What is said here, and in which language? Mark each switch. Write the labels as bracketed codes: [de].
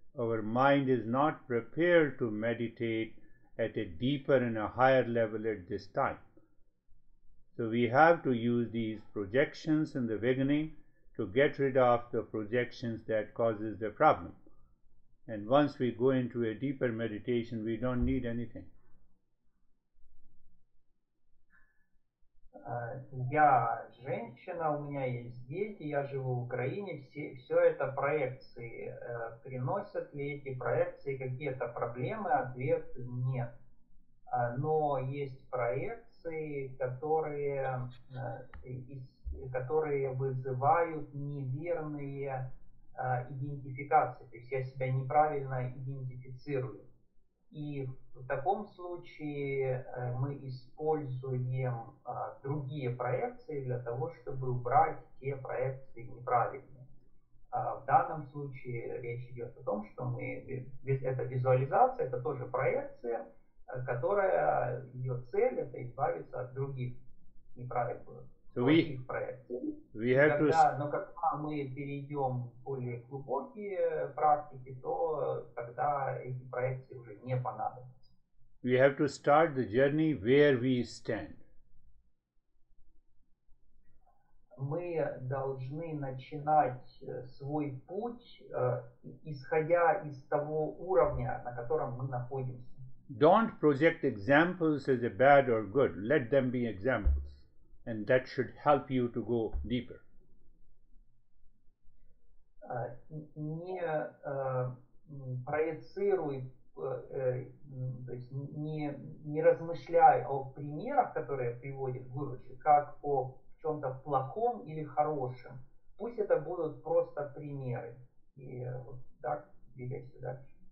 [en] Our mind is not prepared to meditate at a deeper and a higher level at this time. So we have to use these projections in the beginning to get rid of the projections that causes the problem. And once we go into a deeper meditation, we don't need anything. [ru] Я женщина, у меня есть дети, я живу в Украине, все это проекции. Приносят ли эти проекции какие-то проблемы? Ответ – нет. Но есть проекции, которые вызывают неверные идентификации, то есть я себя неправильно идентифицирую. И в таком случае мы используем другие проекции для того, чтобы убрать те проекции неправильные. В данном случае речь идет о том, что мы это визуализация, это тоже проекция, которая ее цель это избавиться от других неправильных проекций. Когда мы перейдем в более глубокие практики, то тогда эти проекции уже не понадобятся. [en] We have to start the journey where we stand. [ru] Мы должны начинать свой путь, исходя из того уровня, на котором мы находимся. [en] Don't project examples as a bad or good. Let them be examples. And that should help you to go deeper. [ru] Не размышляй о примерах, которые приводит Гуру, как о чем-то плохом или хорошем, пусть это будут просто примеры. И вот так двигайся дальше.